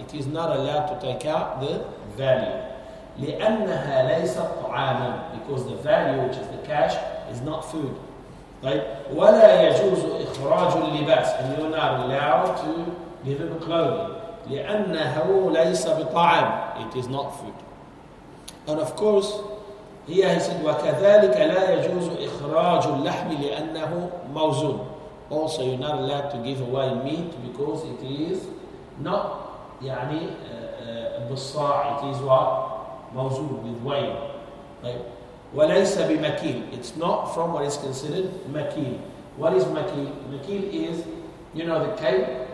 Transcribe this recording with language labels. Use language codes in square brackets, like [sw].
[en] It is not allowed to take out the value. [ar] لِأَنَّهَا لَيْسَ طَعَامًا. [en] Because the value, which is the cash, is not food. [ar] Right? وَلَا يَجُوزُ إِخْرَاجُ الْلِبَاسِ. [en] And you're not allowed to give him clothing. [ar] لِأَنَّهُ لَيْسَ بِطَعَامٍ. [en] It is not food. And of course, here he said, [ar] وَكَذَلِكَ لَا يَجُوزُ إِخْرَاجُ اللَّحْمِ لِأَنَّهُ مَوْزُونٌ. [en] Also, you're not allowed to give away meat because it is not, يعني, بِالصَّاعِ. It is what? مَوْزُونٌ, with weight. [ar] Right? وَلَيْسَ بِمَكِيلٍ. [en] It's not from what is considered makil. What is makil? Makil is, you know, the cape